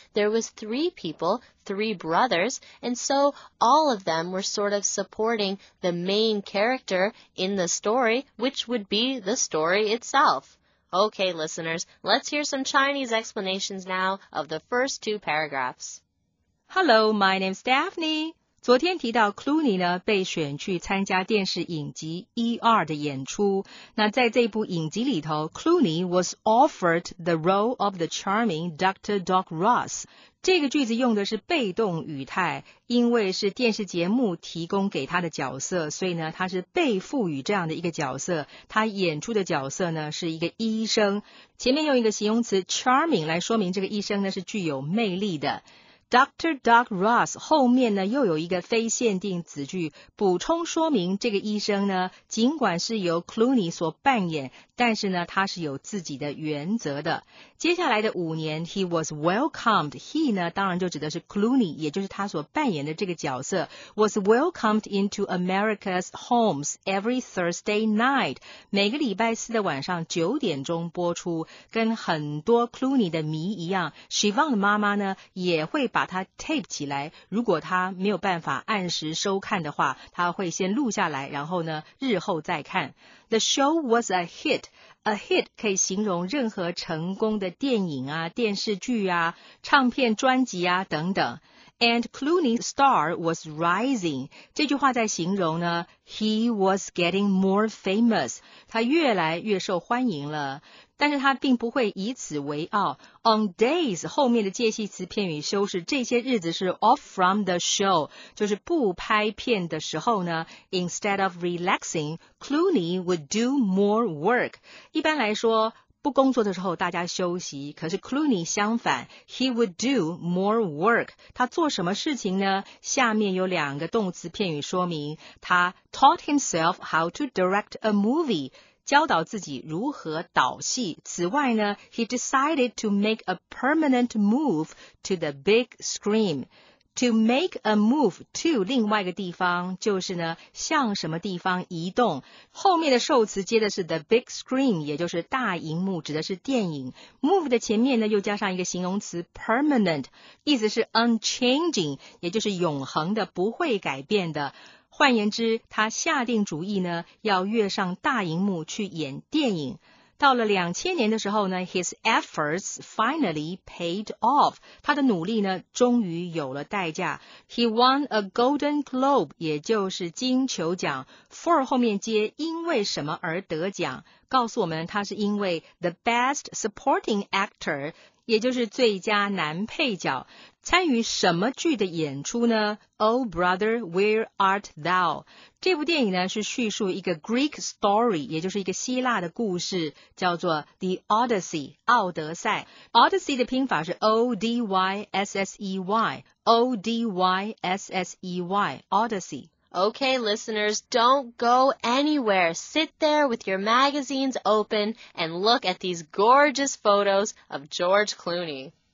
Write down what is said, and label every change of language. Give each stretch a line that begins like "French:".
English: There was three people, three brothers, and so all of them were sort of supporting the main character in the story, which would be the story itself. Okay, listeners, let's hear some Chinese explanations now of the first two paragraphs. Hello, my name's Daphne.
Chinese: 昨天提到 Clooney 呢被选去参加电视影集 ER 的演出。那在这部影集里头
English: ,Clooney was offered the role of the charming Dr. Doc Ross。
Chinese: 这个句子用的是被动语态，因为是电视节目提供给他的角色，所以呢他是被赋予这样的一个角色。他演出的角色呢是一个医生。前面用一个形容词 charming 来说明这个医生呢是具有魅力的。
English: Dr.
Chinese: Doc Ross 后面呢又有一个非限定子句补充说明这个医生呢尽管是由 Clooney 所扮演但是呢他是有自己的原则的。接下来的五年
English: He was welcomed.
Chinese: He 呢当然就指的是 Clooney 也就是他所扮演的这个角色
English: was welcomed into America's homes every Thursday night.
Chinese: 每个礼拜四的晚上九点钟播出跟很多 Clooney 的迷一样 Siobhan 的妈妈呢也会把它 tape 起来如果他没有办法按时收看的话他会先录下来然后呢日后再看
English: The show was a hit
Chinese: A hit 可以形容任何成功的电影啊电视剧啊唱片专辑啊等等
English: And Clooney's star was rising
Chinese: 这句话在形容呢
English: He was getting more famous
Chinese: 他越来越受欢迎了但是他并不会以此为傲。
English: On days,
Chinese: 后面的介系词片语修饰这些日子是
English: off from the show,
Chinese: 就是不拍片的时候呢
English: ,instead of relaxing, Clooney would do more work.
Chinese: 一般来说不工作的时候大家休息，可是 Clooney 相反，
English: he would do more work，
Chinese: 他做什么事情呢？下面有两个动词片语说明，他
English: taught himself how to direct a movie，
Chinese: 教导自己如何导戏。此外呢，
English: he decided to make a permanent move to the big screen。 To make a move to
Chinese: 另外一个地方，就是呢向什么地方移动，后面的受词接的是
English: the big screen，
Chinese: 也就是大荧幕，指的是电影。 move 的前面呢又加上一个形容词 permanent， 意思是 unchanging， 也就是永恒的，不会改变的。换言之，他下定主意呢要跃上大荧幕去演电影。到了2000年的时候呢，
English: his efforts finally paid off，
Chinese: 他的努力呢终于有了代价。
English: He won a golden globe，
Chinese: 也就是金球奖， for 后面接因为什么而得奖，告诉我们他是因为
English: the best supporting actor，
Chinese: 也就是最佳男配角。参与什么剧的演出呢？ Oh Brother Where Art Thou， 这部电影呢是叙述一个 Greek story， 也就是一个希腊的故事，叫做 The Odyssey， 奥德赛。 Odyssey 的拼法是 O-D-Y-S-S-E-Y， O-D-Y-S-S-E-Y， Odyssey。
English: Okay, listeners, don't go anywhere. Sit there with your magazines open and look at these gorgeous photos of George Clooney.